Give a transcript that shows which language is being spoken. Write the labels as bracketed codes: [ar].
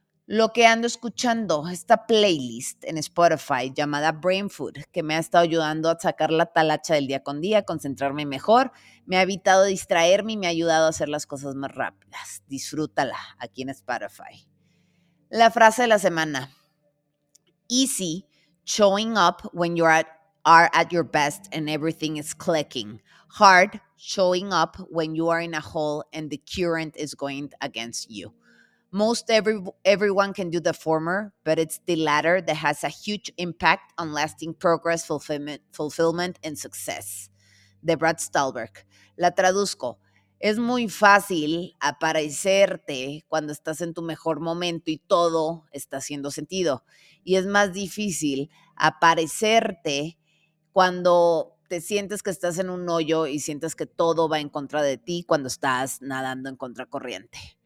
[es] Lo que ando escuchando, esta playlist en Spotify llamada Brain Food, que me ha estado ayudando a sacar la talacha del día con día, concentrarme mejor, me ha evitado distraerme y me ha ayudado a hacer las cosas más rápidas. Disfrútala aquí en Spotify. La frase de la semana. [en] Easy showing up when you are at your best and everything is clicking. Hard showing up when you are in a hole and the current is going against you. Most everyone can do the former, but it's the latter that has a huge impact on lasting progress, fulfillment and success. Deborah Stahlberg. [es] La traduzco. es muy fácil aparecerte cuando estás en tu mejor momento y todo está haciendo sentido. Y es más difícil aparecerte cuando te sientes que estás en un hoyo y sientes que todo va en contra de ti cuando estás nadando en contracorriente.